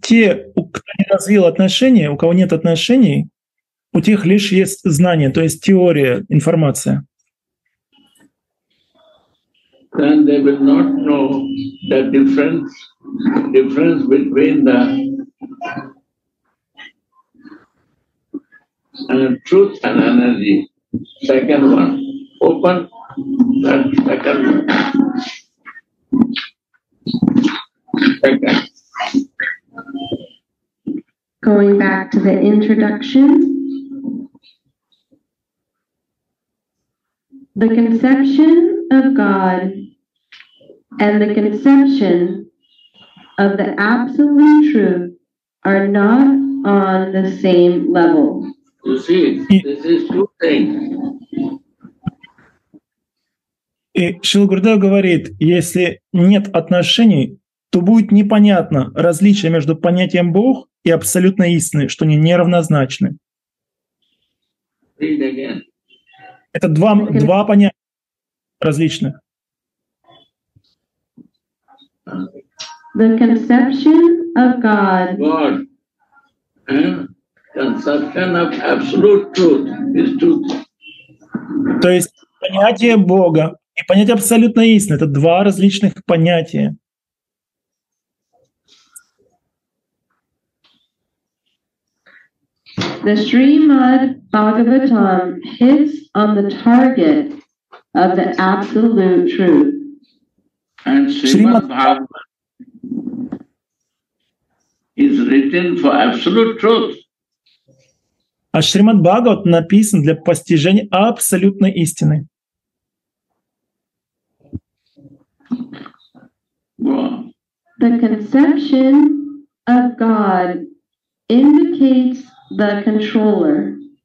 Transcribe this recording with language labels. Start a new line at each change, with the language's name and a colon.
Russian: те, у кого не развил отношения, у кого нет отношений, у тех лишь есть знание, то есть теория, информация.
English: Then they will not know the difference between the truth and energy. Second one. Open that second one. Going back to the introduction. The conception of God and the conception of the absolute truth are not on the same level. You see, this is two things.
Russian: И Шилгурдев говорит, если нет отношений, то будет непонятно различие между понятием Бог и абсолютной истиной, что они неравнозначны.
English: Read again.
Russian: Это два понятия различных.
English: The conception of God. God. Conception of absolute truth is truth.
Russian: То есть понятие Бога и понятие абсолютной истины — это два различных понятия.
English: The Srimad Bhagavatam hits on the target of the absolute truth. And Srimad Bhagavatam is written for absolute truth.
Russian: А Шримад Бхагават написан для постижения абсолютной истины.
English: The conception of God indicates the controller.